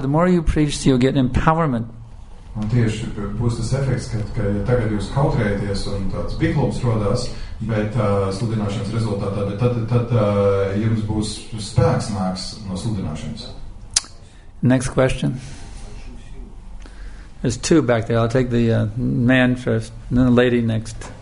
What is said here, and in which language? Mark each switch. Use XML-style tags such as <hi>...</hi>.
<en>The more you preach, you'll get empowerment.</en> <lv>Un tieši būs tas efekts, ka tagad jūs kautrējaties un tāds biklums rodas, bet sludināšanas rezultātā, bet tad jums būs spēks nāks no sludināšanas.</lv> <en>Next question. There's two back there. I'll take the man first, and then the lady next.</en>